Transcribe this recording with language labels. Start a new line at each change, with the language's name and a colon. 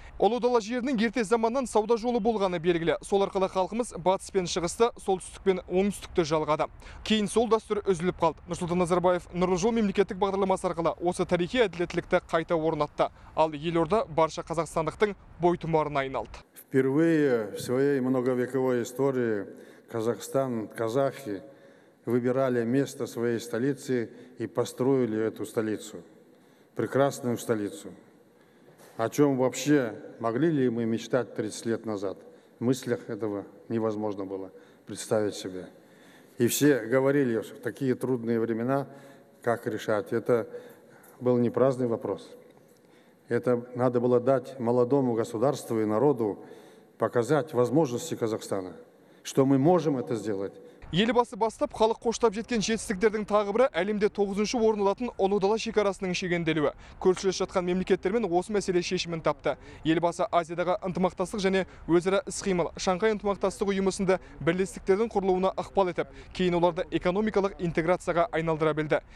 Kazakh: Ұлы дала жерінің ерте заманнан сауда жолы болғаны белгілі. Сол арқылы халқымыз батыс пен шығысты, солтүстік пен оңтүстікті жалғады. Кейін сол дәстүр үзіліп қалды. Нұрсұлтан Назарбаев Нұрлы жол мемлекеттік бағдарламасы арқылы осы тарихи әділеттілікті қайта орнатты. Ал елорда барша қазақстандықтың бойтұмарына айналды.
Russian: Впервые в своей многовековой истории Казахстан, казахи выбирали место своей столицы и построили эту столицу, прекрасную столицу. О чем вообще могли ли мы мечтать 30 лет назад? В мыслях этого невозможно было представить себе. И все говорили, что в такие трудные времена, как решать. Это был не праздный вопрос. Это надо было дать молодому государству и народу показать возможности Казахстана, что мы можем это сделать.
Kazakh: Елбасы бастап, халық қоштап жеткен жетістіктердің тағы бірі әлемде 9-ші орын алатын ұлы дала шекарасының шегенделуі. Көршілес жатқан мемлекеттермен осы мәселе шешімін тапты. Елбасы Азиядағы ынтымақтастық және өзара іс-қимыл, Шанхай ынтымақтастық ұйымында бірлестіктердің құрылуына ықпал етіп, кейін оларды экономикалық интеграцияға айналдыра білді.